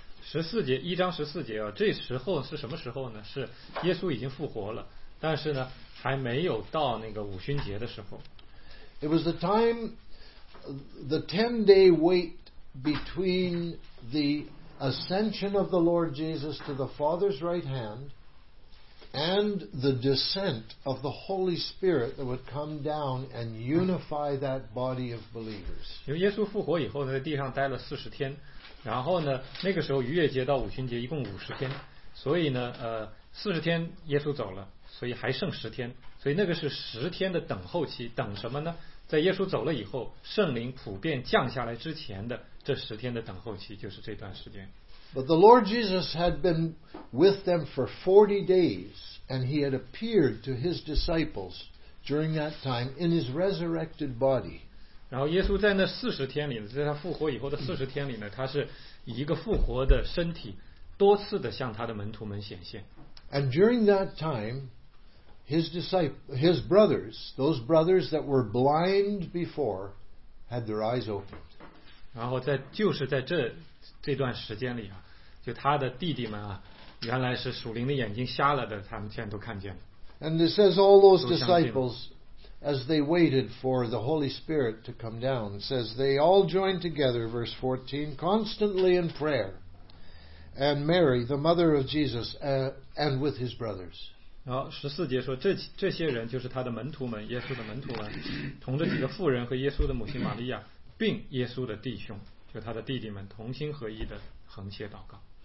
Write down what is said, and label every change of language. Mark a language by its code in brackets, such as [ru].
[zh] 十四节，一章十四节啊，这时候是什么时候呢？是耶稣已经复活了，但是呢，还没有到那个五旬节的时候。 [en] It was the time, the 10-day wait between the ascension of the Lord Jesus to the Father's right hand and the descent of the Holy Spirit that would come down and unify that body of believers. [zh] 因为耶稣复活以后，在地上待了四十天，然后呢，那个时候逾越节到五旬节一共五十天，所以呢，四十天耶稣走了。所以还剩十天，所以那个是十天的等候期，等什么呢？在耶稣走了以后，圣灵普遍降下来之前的这十天的等候期，就是这段时间。 [en] But the Lord Jesus had been with them for 40 days, and he had appeared to his disciples during that time in his resurrected body. [zh] 然后耶稣在那四十天里，在他复活以后的四十天里呢，他是以一个复活的身体，多次的向他的门徒们显现。 [en] And during that time, his brothers, those brothers that were blind before, had their eyes opened. [zh] 然后在就是在这段时间里啊，就他的弟弟们啊，原来是属灵的眼睛瞎了的，他们现在都看见了。 [en] And it says all those disciples, as they waited for the Holy Spirit to come down, says they all joined together, verse 14, constantly in prayer, and Mary, the mother of Jesus, and with his brothers. [zh] 14节说这些人就是他的门徒们，耶稣的门徒们，同着几个妇人和耶稣的母亲玛利亚，并耶稣的弟兄，就他的弟弟们，同心合一的横切祷告。